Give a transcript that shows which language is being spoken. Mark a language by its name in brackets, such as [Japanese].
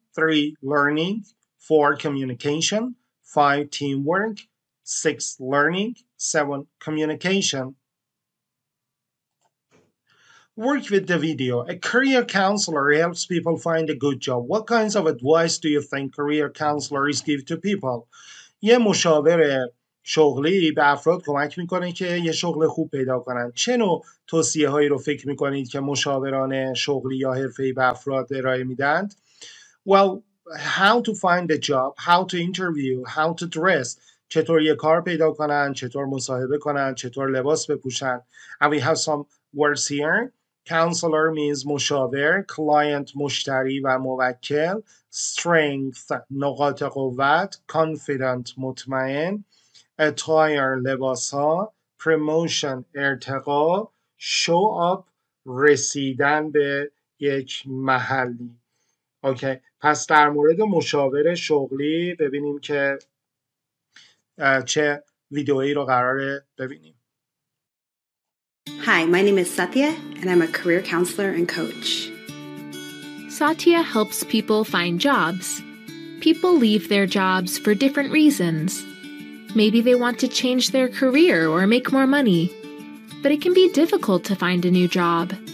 [English] Three, learning. Four, communication. Five, teamwork. Six, learning. Seven, communication. Work with the video. A career counselor helps people find a good job. What kinds of advice do you think career counselors give to people? [Persian] یه مشاور شغلی به افراد کمک میکنه که یه شغل خوب پیدا کنن. چه نوع توصیه هایی رو فکر میکنید که مشاوران شغلی یا حرفه‌ای به افراد ارائه میدن؟ [English] Well, how to find a job, how to interview, how to dress. [Persian] چطور یه کار پیدا کنن، چطور مصاحبه کنن، چطور لباس بپوشن. [English] And we have some words here. Counselor means مشاور, client [Persian] مشتری و موکل, [English] strength نقاط قوت, confident مطمئن, attire لباسها, promotion ارتقا, show up [Persian] رسیدن به یک محلی. [English] Okay. [Persian] پس در مورد مشاور شغلی ببینیم که چه ویدئویی رو قراره ببینیم. [English] Hi, my name is Satya, and I'm a career counselor and coach. Satya helps people find jobs. People leave their jobs for different reasons. Maybe they want to change their career or make more money. But it can be difficult to find a new job.